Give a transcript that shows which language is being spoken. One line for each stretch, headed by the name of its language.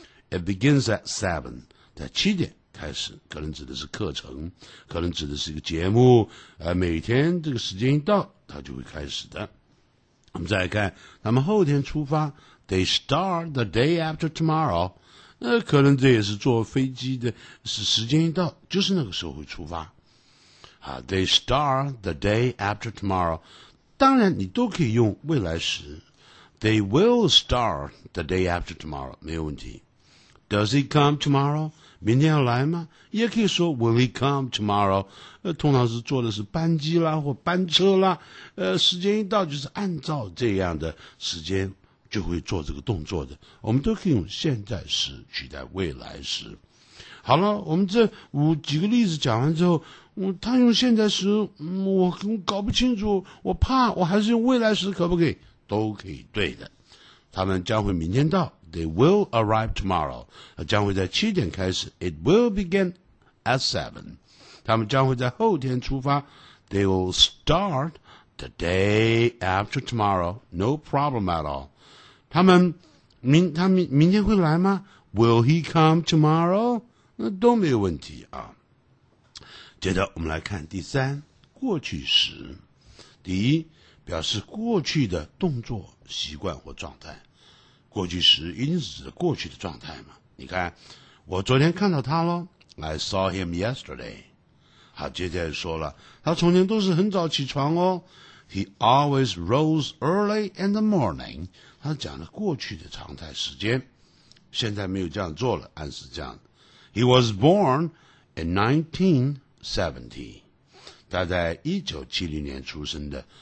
English: It begins at 7，
Chinese: 在7点开始，可能指的是课程，可能指的是一个节目，每天这个时间一到它就会开始的。我们再来看他们后天出发，
English: They start the day after tomorrow，
Chinese: 那可能这也是坐飞机的，是时间一到就是那个时候会出发。
English: They start the day after tomorrow，
Chinese: 当然你都可以用未来时
English: They will start the day after tomorrow， 没有问题。 Does he come tomorrow？
Chinese: 明天要来吗？也可以说
English: Will he come tomorrow？
Chinese: 通常是坐的是班机啦或班车啦，时间一到就是按照这样的时间就会做这个动作的，我们都可以用现在时取代未来时。好了，我们这几个例子讲完之后，他用现在时，我搞不清楚，我怕，我还是用未来时可不可以？都可以，对的。他们将会明天到 ，
English: They will arrive tomorrow，
Chinese: 将会在7点开始 ，
English: It will begin at 7。
Chinese: 他们将会在后天出发
English: ，They will start the day after tomorrow，no problem at all。
Chinese: 他明天会来吗 ？
English: Will he come tomorrow？
Chinese: 那都没有问题啊。接着我们来看第三，过去时。第一，表示过去的动作、习惯或状态。过去时一定是指过去的状态嘛。你看，我昨天看到他咯，
English: I saw him yesterday。
Chinese: 好，接着说了，他从前都是很早起床哦。
English: He always rose early in the morning。
Chinese: 他讲了过去的常态时间。现在没有这样做了，暗示这样。
English: He was born in 1970.
Chinese: 他在1970年出生的。